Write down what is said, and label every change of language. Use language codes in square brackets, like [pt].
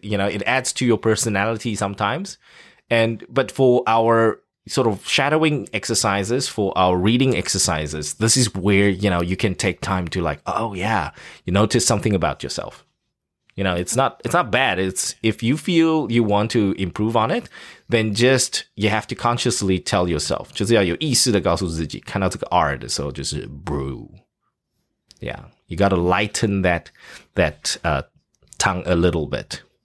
[en] You know, it adds to your personality sometimes. But for our sort of shadowing exercises, for our reading exercises, this is where, you know, you can take time to like, oh yeah, you notice something about yourself. You know, it's not bad. It's if you feel you want to improve on it, then just you have to consciously tell yourself. [zh] 就是要有意识的告诉自己，看到这个R的时候就是 brew. [en] Yeah, you got to lighten that tongue a little bit.